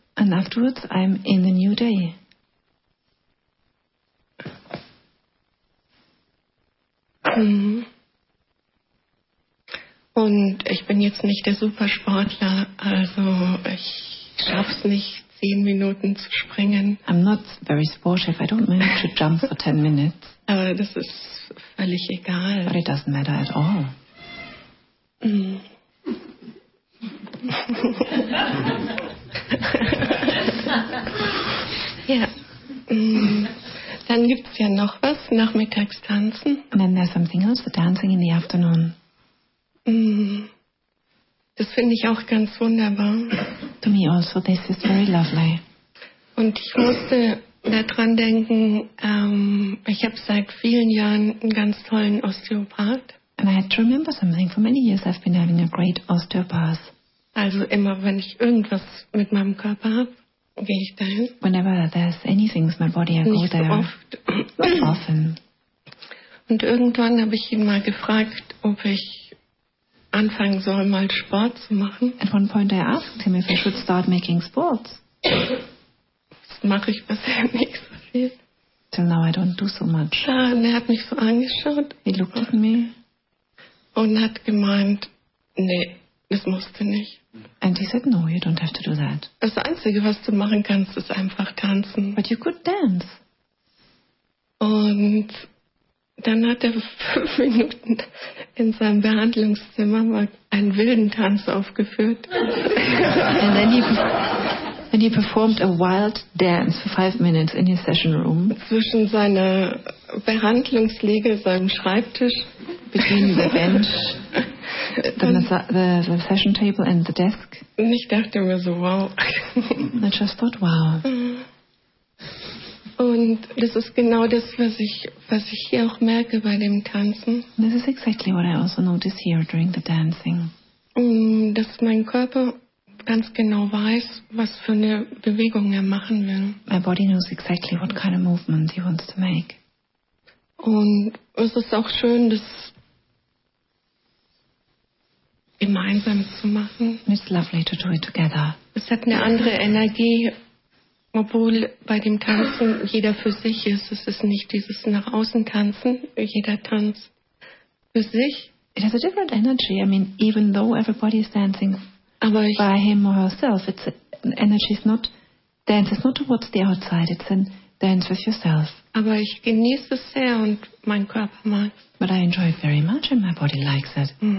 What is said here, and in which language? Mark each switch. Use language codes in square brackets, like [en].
[en] And afterwards I'm in the new day. Mm. [de] Und ich bin jetzt nicht der Supersportler, also ich schaff's nicht, 10 Minuten zu springen. [en] I'm not very sportive, I don't manage to jump for 10 minutes. [de] Aber das ist völlig egal. [en] But it doesn't matter at all. [de] Ja. Dann gibt's ja noch was, nachmittags tanzen. [en] And then there's something else, the dancing in the afternoon. [de] Das finde ich auch ganz wunderbar. [en] To me also, this is very lovely. [de] Und ich musste daran denken, ich habe seit vielen Jahren einen ganz tollen Osteopath. [en] And I had to remember something. For many years I've been having a great osteopath. [de] Also immer, wenn ich irgendwas mit meinem Körper habe, gehe ich dahin. [en] Whenever there's anything with my body, I [de] Nicht [en] go there. [de] So oft. [en] Often. [de] Und irgendwann habe ich ihn mal gefragt, ob ich anfangen soll, mal Sport zu machen. [en] At one point I asked him if I should start making sports. [de] Das mache ich bisher nicht so viel. [en] Till now I don't do so much. [de] Ja, und er hat mich so angeschaut. [en] He looked at me. [de] Und hat gemeint, nee, das musst du nicht. [en] And he said, no, you don't have to do that. [de] Das Einzige, was du machen kannst, ist einfach tanzen. [en] But you could dance. [de] Und dann hat er 5 Minuten in seinem Behandlungszimmer mal einen wilden Tanz aufgeführt. [en] And then he performed a wild dance for 5 minutes in his session room. [de] Zwischen seiner Behandlungsliege, seinem Schreibtisch. [en] Between the bench, the session table and the desk. [de] Und ich dachte mir so, wow. [en] I just thought, wow. [de] Und das ist genau das, was ich hier auch merke bei dem Tanzen. [en] This is exactly what I also notice here during the dancing. [de] Dass mein Körper ganz genau weiß, was für eine Bewegung er machen will. [en] My body knows exactly what kind of movement he wants to make. [de] Und es ist auch schön, das gemeinsam zu machen. [en] It's lovely to do it together. [de] Es hat eine andere Energie. Obwohl bei dem Tanzen jeder für sich ist, es ist nicht dieses nach außen tanzen, jeder tanzt für sich. [en] It has a different energy, I mean, even though everybody is dancing by him or herself, it's an energy, it's not, dance is not towards the outside, it's a dance with yourself. [de] Aber ich genieße es sehr und mein Körper mag es. [en] But I enjoy it very much and my body likes it.